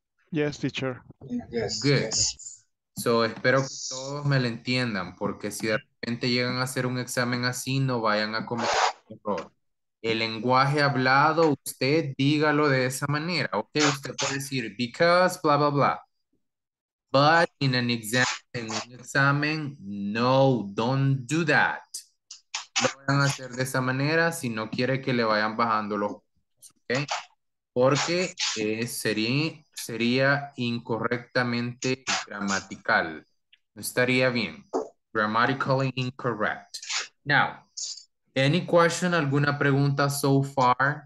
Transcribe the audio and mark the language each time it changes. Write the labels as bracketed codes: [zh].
[en] Yes, teacher. Yes. Good. Yes. [es] So, espero que todos me lo entiendan, porque si de repente llegan a hacer un examen así, no vayan a cometer un error. El lenguaje hablado, usted dígalo de esa manera. Okay, usted puede decir, [en] because, blah, blah, blah. But in an exam, [es] en un examen, no, [en] don't do that. [es] No van a hacer de esa manera si no quiere que le vayan bajando los puntos, okay? Porque sería incorrectamente gramatical. No estaría bien. [en] Grammatically incorrect. Now, any question, [es] alguna pregunta [en] so far?